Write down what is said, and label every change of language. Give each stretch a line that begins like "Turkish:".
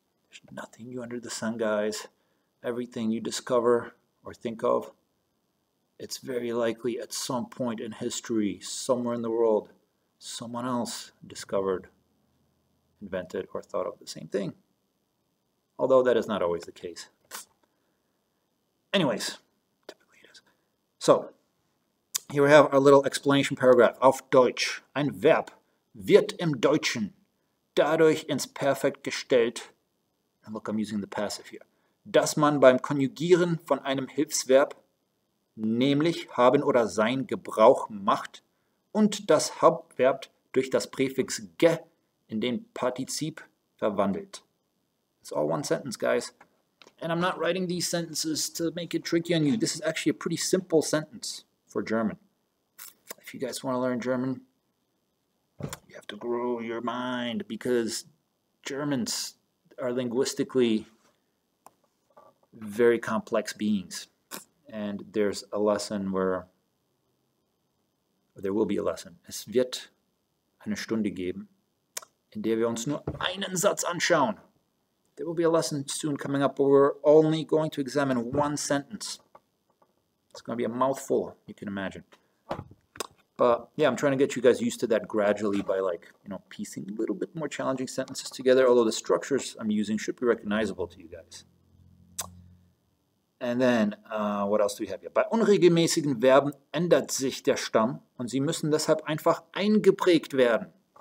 English: There's nothing new under the sun, guys. Everything you discover or think of, it's very likely at some point in history, somewhere in the world, someone else discovered, invented, or thought of the same thing. Although that is not always the case. Anyways, typically it is. So, here we have our little explanation paragraph.
German: Auf Deutsch, ein Verb wird im Deutschen dadurch ins Perfekt gestellt,
English: And look, I'm using the passive here.
German: Dass man beim Konjugieren von einem Hilfsverb, nämlich haben oder sein, Gebrauch macht und das Hauptverb durch das Präfix ge in den Partizip verwandelt.
English: It's all one sentence, guys. And I'm not writing these sentences to make it tricky on you. This is actually a pretty simple sentence for German. If you guys want to learn German, you have to grow your mind, because Germans are linguistically very complex beings. And there's a lesson where, or there will be a lesson.
German: Es wird eine Stunde geben, in der wir uns nur einen Satz anschauen.
English: There will be a lesson soon coming up where we're only going to examine one sentence. It's going to be a mouthful, you can imagine. But yeah, I'm trying to get you guys used to that gradually by, like, you know, piecing a little bit more challenging sentences together, although the structures I'm using should be recognizable to you guys. And then, what else do we have here?
German: Bei unregelmäßigen Verben ändert sich der Stamm und sie müssen deshalb einfach eingeprägt werden.